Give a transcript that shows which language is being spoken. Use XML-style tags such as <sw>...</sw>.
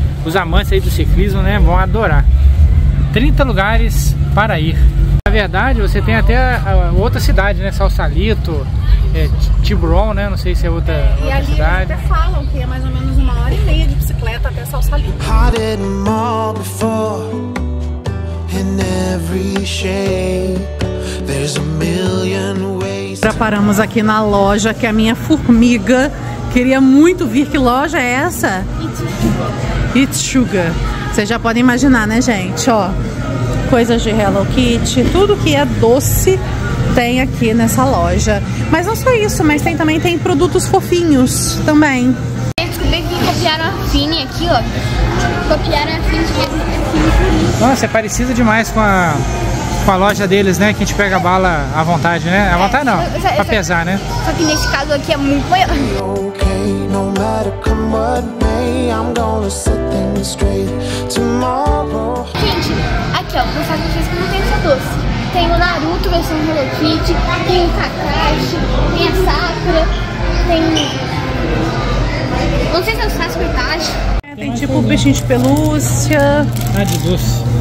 <pt>Os amantes aí do ciclismo, né, vão adorar. 30 lugares para ir. Na verdade, você tem até outra cidade, né, Sausalito, Tiburon, né, não sei se é outra cidade. E ali eles até falam que é mais ou menos uma hora e meia de bicicleta até Sausalito.</pt> <en>Had it all before, in every shape, there's a million ways.</en> <pt>Já paramos aqui na loja, que a minha formiga queria muito vir. Que loja é essa?</pt> <en>It's Sugar.</en> <pt>Vocês já podem imaginar, né, gente? Ó, coisas de Hello Kitty, tudo que é doce tem aqui nessa loja. Mas não só isso, mas tem produtos fofinhos também. Descobri que copiaram a Fini aqui, ó. Copiaram a Fini. Nossa, é parecido demais com a loja deles, né? Que a gente pega a bala à vontade, né? À vontade não, pra pesar, né? Só que nesse caso aqui é muito maior.</pt> <en>Okay, no matter come what may, I'm gonna set things straight tomorrow.</en> <pt>Gente, aqui ó, o pessoal que diz que não tem essa doce. Tem o Naruto versão Hello Kitty, tem o Kakashi, tem a Sakura, tem... Não sei se é o Sasuke Itachi. Tem tipo um bichinho de pelúcia. Ah, de doce.</pt>